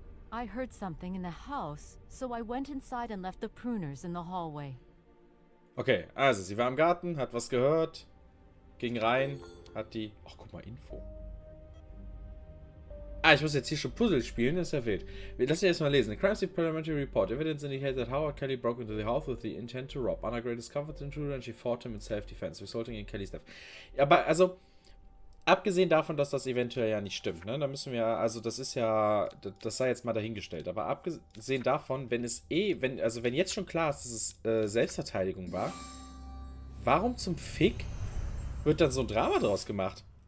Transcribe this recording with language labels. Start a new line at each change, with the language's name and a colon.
English: I heard something in the house, so I went inside and left the pruners in the hallway.
German: Okay, also sie war im Garten, hat was gehört, ging rein, hat die... Ach, guck mal, Info. Ah, ich muss jetzt hier schon Puzzle spielen, das ist ja wild. Lass mich erstmal lesen.
English: The Crime Scene Parliamentary Report. Evidence indicates that Howard Kelly broke into the house with the intent to rob. Anna Gray discovered the intruder and she fought him in self-defense, resulting in Kelly's death.
German: Ja, aber, also, abgesehen davon, dass das eventuell ja nicht stimmt, ne? Da müssen wir, also das ist ja, das sei jetzt mal dahingestellt. Aber abgesehen davon, wenn jetzt schon klar ist, dass es Selbstverteidigung war, warum zum Fick wird dann so ein Drama draus gemacht?